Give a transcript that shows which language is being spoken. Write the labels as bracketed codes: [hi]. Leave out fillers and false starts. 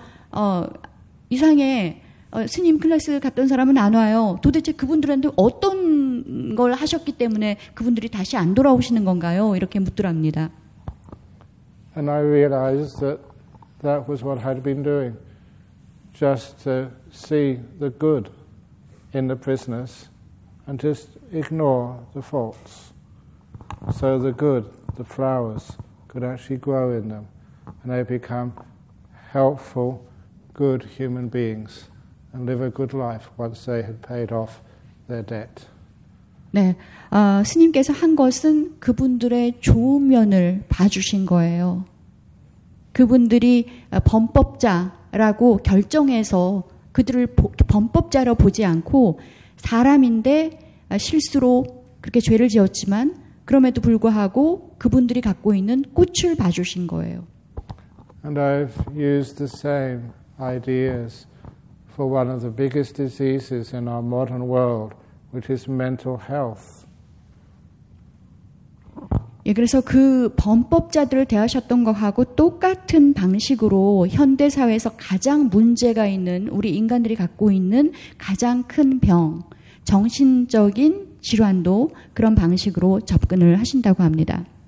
[ko] 그래서 이상해. 스님 클래스 갔던 사람은 안 와요. 도대체 그분들한테 어떤 걸 하셨기 때문에 그분들이 다시 안 돌아오시는 건가요? 이렇게 묻더랍니다. [en] And I realized that that was what I'd been doing, just to see the good in the prisoners and just ignore the faults, so the good, the flowers, could actually grow in them, and they become helpful, good human beings. And live a good life once they had paid off their debt. [ko] 네, 스님께서 한 것은 그분들의 좋은 면을 봐주신 거예요. 그분들이 범법자라고 결정해서 그들을 범법자로 보지 않고 사람인데 실수로 그렇게 죄를 지었지만 그럼에도 불구하고 그분들이 갖고 있는 꽃을 봐주신 거예요. [en] And I've used the same ideas for one of the biggest diseases in our modern world, which is mental health. [ko] 예, 그래서 그 범법자들을 대하셨던 것하고 똑같은 방식으로 현대 사회에서 가장 문제가 있는 우리 인간들이 갖고 있는 가장 큰 병, 정신적인 질환도 그런 방식으로 접근을 하신다고 합니다.